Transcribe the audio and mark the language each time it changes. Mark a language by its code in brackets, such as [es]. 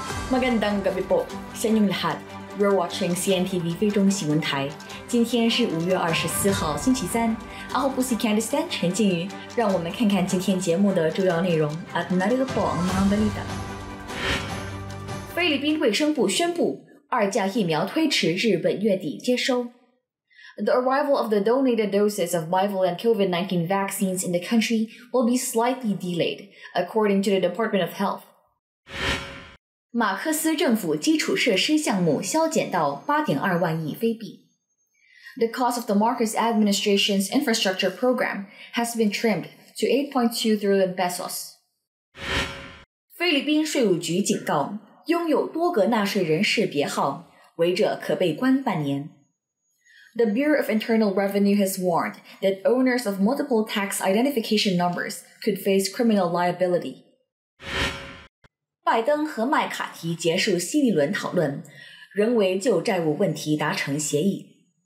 [tl] Magandang gabi po sa inyong lahat. [en] You're watching Cntv [zh] 菲中新闻台今天是5月24号星期三 [en] I'll be seeing Candice [zh] 陈静瑜让我们看看今天节目的主要内容 At Nadia Bong Mambalita 菲律宾卫生部宣布二价疫苗推迟日本月底接收 [en] The arrival of the donated doses of Bivalent COVID-19 vaccines in the country will be slightly delayed, according to the Department of Health [zh] 马克思政府基础设施项目削减到 8.2 万亿菲币 [en] The cost of the Marcos administration's infrastructure program has been trimmed to 8.2 trillion pesos. [zh] 菲律宾税务局警告，拥有多个纳税人识别号，违者可被关半年。 [en] The Bureau of Internal Revenue has warned that owners of multiple tax identification numbers could face criminal liability. [zh] 拜登和麦卡提结束新一轮讨论，仍为旧债务问题达成协议。